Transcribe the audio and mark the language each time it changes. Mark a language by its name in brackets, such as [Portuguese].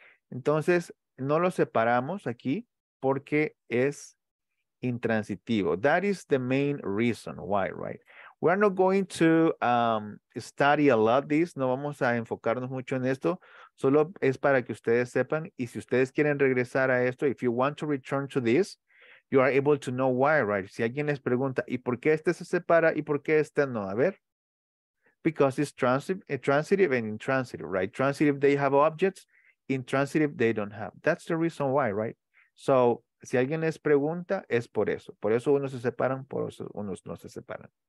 [Spanish] Entonces, no lo separamos aquí porque es intransitivo. [English] That is the main reason why, right? We're not going to study a lot this. [Spanish] No vamos a enfocarnos mucho en esto. Solo es para que ustedes sepan. Y si ustedes quieren regresar a esto, [English] if you want to return to this, you are able to know why, right? [Spanish] Si alguien les pregunta, ¿y por qué este se separa? ¿Y por qué este no? A ver. [English] Because it's transitive and intransitive, right? Transitive, they have objects. Intransitive, they don't have. That's the reason why, right? [Spanish] So, si alguien les pregunta, es por eso. Por eso unos se separan, por eso unos no se separan.